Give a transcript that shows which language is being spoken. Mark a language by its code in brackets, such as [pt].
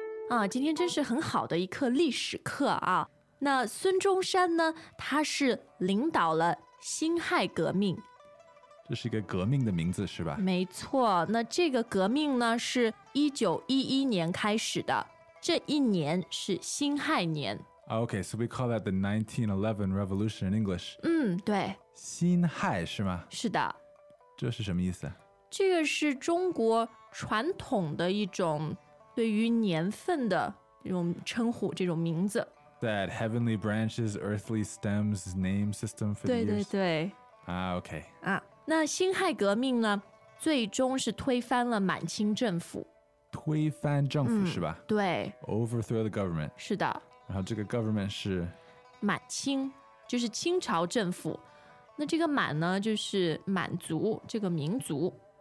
[zh] 啊，今天真是很好的一课历史课啊！那孙中山呢？他是领导了辛亥革命，这是一个革命的名字是吧？没错，那这个革命呢，是1911年开始的。这一年是辛亥年。 [en] Okay, so we call that the 1911 revolution in English. [zh] 对。辛亥是吗？是的。这是什么意思？这个是中国传统的一种对于年份的这种称呼，这种名字。 [en] That heavenly branches, earthly stems, name system for the [zh] years. 对对对。 Okay. 那辛亥革命呢，最终是推翻了满清政府。推翻政府是吧？对。 [en] Overthrow the government. [zh] 是的。然后这个 government 是？满清，就是清朝政府。那这个满呢，就是满族，这个民族。